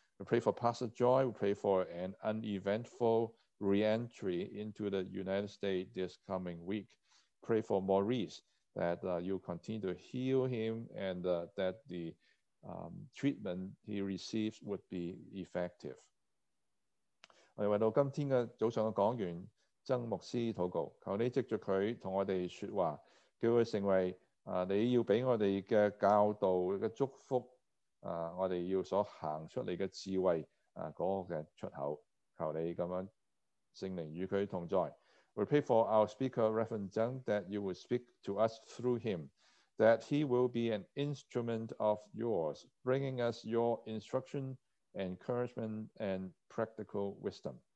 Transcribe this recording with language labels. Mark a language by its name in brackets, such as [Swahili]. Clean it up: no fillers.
[English] We pray for Pastor Joy. We pray for an uneventful re-entry into the United States this coming week. Pray for Maurice that you continue to heal him and that the treatment he receives would be effective. [Chinese] 我们为到今天的早上的讲员曾牧师祷告，求你藉着他同我们说话，叫他成为你要给我们的教导的祝福，我们要所行出来的智慧那个出口，求你这样圣灵与他同在。 [English] We pray for our speaker Reverend Zeng that you would speak to us through him, that he will be an instrument of yours, bringing us your instruction, encouragement and practical wisdom.